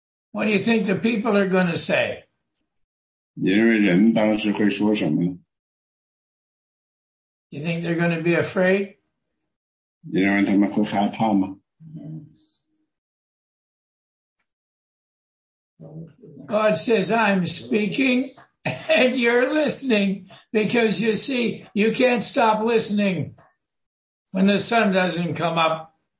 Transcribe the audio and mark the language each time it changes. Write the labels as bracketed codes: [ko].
[en] What do you think the people are going to say? [zh] 你认为人当时会说什么呢? [en] You think they're going to be afraid? [zh] 你认为他们会害怕吗? [en] God says, I'm speaking and you're listening because you see, you can't stop listening when the sun doesn't come up.